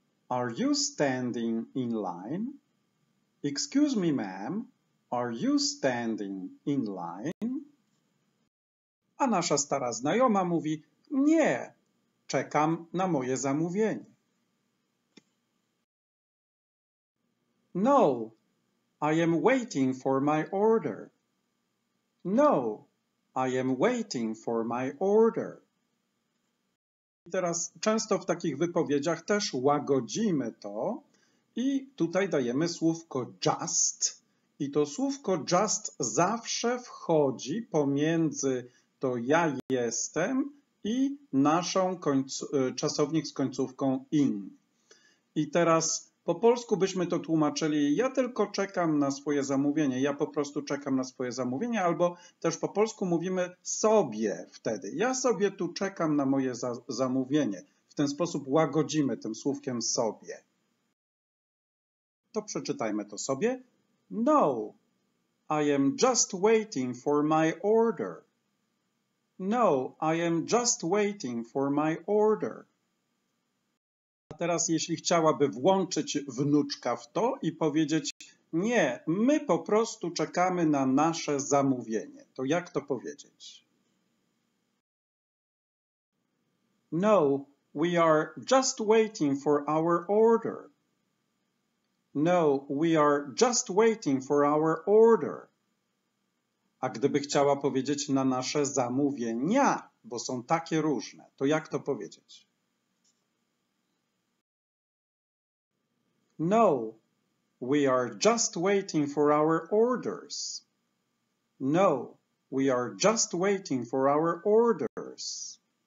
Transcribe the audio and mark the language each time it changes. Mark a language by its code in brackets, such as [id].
[en] Are you standing in line? Excuse me, ma'am. Are you standing in line? [pl] A nasza stara znajoma mówi, nie, czekam na moje zamówienie. [en] No. I am waiting for my order. No, I am waiting for my order. [pl] I teraz często w takich wypowiedziach też łagodzimy to i tutaj dajemy słówko just. I to słówko just zawsze wchodzi pomiędzy to ja jestem i naszą czasownik z końcówką ing. I teraz Po polsku byśmy to tłumaczyli, ja tylko czekam na swoje zamówienie, ja po prostu czekam na swoje zamówienie, albo też po polsku mówimy sobie wtedy, ja sobie tu czekam na moje zamówienie. W ten sposób łagodzimy tym słówkiem sobie. To przeczytajmy to sobie. [en] No, I am just waiting for my order. No, I am just waiting for my order. [pl] A teraz jeśli chciałaby włączyć wnuczka w to i powiedzieć nie, my po prostu czekamy na nasze zamówienie. To jak to powiedzieć? [en] No, we are just waiting for our order. No, we are just waiting for our order. [pl] A gdyby chciała powiedzieć na nasze zamówienia, bo są takie różne, to jak to powiedzieć? [en] No, we are just waiting for our orders. No, we are just waiting for our orders.